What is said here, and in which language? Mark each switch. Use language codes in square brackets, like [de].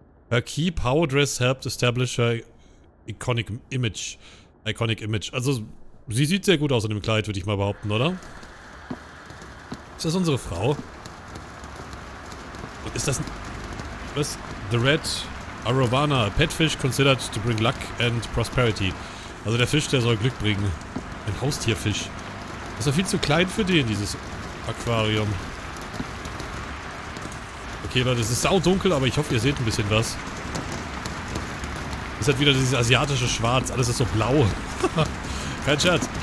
[en] Her key power dress helped establish her iconic image. Iconic image. [de] Also sie sieht sehr gut aus in dem Kleid, würde ich mal behaupten, oder? Ist das unsere Frau? Ist das ein... Was? [en] The Red Arowana. Petfish considered to bring luck and prosperity. [de] Also der Fisch, der soll Glück bringen. Ein Haustierfisch. Das ist ja viel zu klein für den, dieses Aquarium. Okay, Leute, es ist saudunkel, aber ich hoffe, ihr seht ein bisschen was. Es hat wieder dieses asiatische Schwarz. Alles ist so blau. Kein Scherz.